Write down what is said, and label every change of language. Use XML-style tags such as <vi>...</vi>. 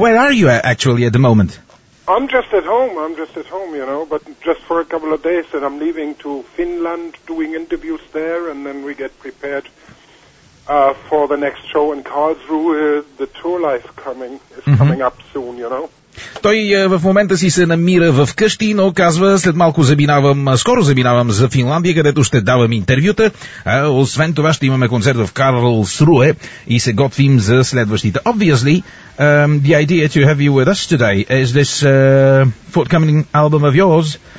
<en>Where are you actually at the moment? I'm just at home, you know, but just for a couple of days, and I'm leaving to Finland doing interviews there, and then we get prepared for the next show in Karlsruhe. The tour life is coming up soon, you know.</en> <bg>Той в момента си се намира в къщи, но казва, скоро заминавам за Финландия, където ще давам интервюта. Освен това ще имаме концерт в Карлсруе и се готвим за следващите.</bg> <en>Obviously, the idea to have you with us today is this forthcoming album of yours.</en>